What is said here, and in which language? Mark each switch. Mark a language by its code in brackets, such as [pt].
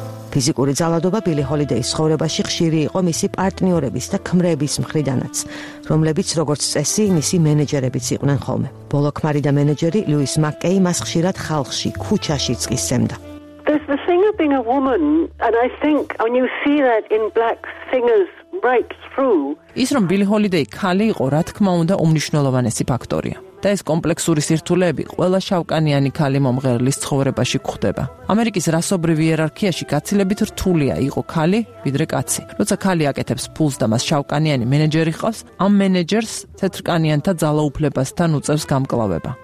[ka] ფიზიკური ძალადობა ბილი ჰოლიდეის ცხოვრებაში ხშირი იყო მისი პარტნიორების და ქმრების მხრიდანაც, რომლებიც როგორც წესი მისი მენეჯერებიც იყვნენ ხოლმე. ბოლო ქმარი და მენეჯერი ლუის მაკეი მას ხშირად ხალხში, ქუჩაშიც კი სცემდა. [en] There's the thing of being a woman, and I think when you see that in black singers right through. [ka] ის რომ ბილი ჰოლიდეი ქალი იყო, რა თქმა უნდა, უმნიშვნელოვანესი ფაქტორია. და ეს კომპლექსური სირთულეები ყველა შავკანიანი ქალი მომღერლის ცხოვრებაში გვხვდება. ამერიკის რასობრივი იერარქიაში გაცილებით რთულია იყო ქალი, ვიდრე კაცი. როცა ქალი აკეთებს ფულს და მას შავკანიანი მენეჯერი ჰყავს, ამ მენეჯერს თეთრკანიანთა ძალაუფლებასთან უწევს გამკლავება.